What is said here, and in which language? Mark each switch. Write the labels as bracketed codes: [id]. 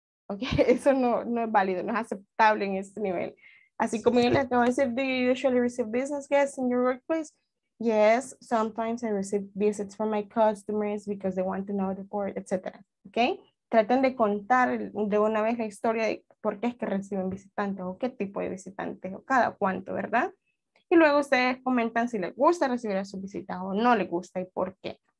[es] Okay, eso no es válido, no es aceptable en este nivel. Así como yo les acabo de decir, [en] do you usually receive business guests in your workplace? Yes, sometimes I receive visits from my customers because they want to know the port, etc. [es] Okay, traten de contar de una vez la historia de por qué es que reciben visitantes o qué tipo de visitantes o cada cuánto, ¿verdad? Y luego ustedes comentan si les gusta recibir a sus visitas o no les gusta y por qué.